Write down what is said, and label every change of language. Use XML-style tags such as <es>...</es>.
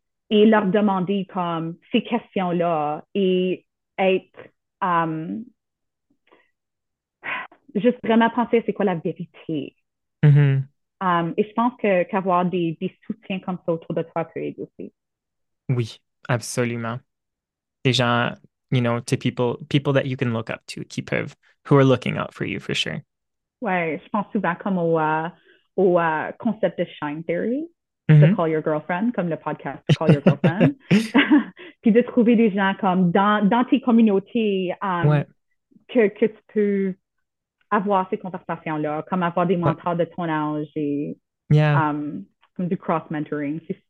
<fr>Et leur demander comme ces questions-là et être juste vraiment penser c'est quoi la vérité. Et je pense que qu'avoir des soutiens comme ça autour de toi peut aider aussi. Oui, absolument. Des gens,</fr> <en>to people that you can look up to,</en> <fr>qui peuvent,</fr> <en>who are looking out for you for sure.</en> <fr>Ouais, je pense souvent comme au concept de Shine Theory, de Call Your Girlfriend, comme le podcast Call Your Girlfriend. Puis de trouver des gens comme dans tes communautés que tu peux avoir ces conversations-là, comme avoir des mentors de ton âge et comme du cross-mentoring.</fr>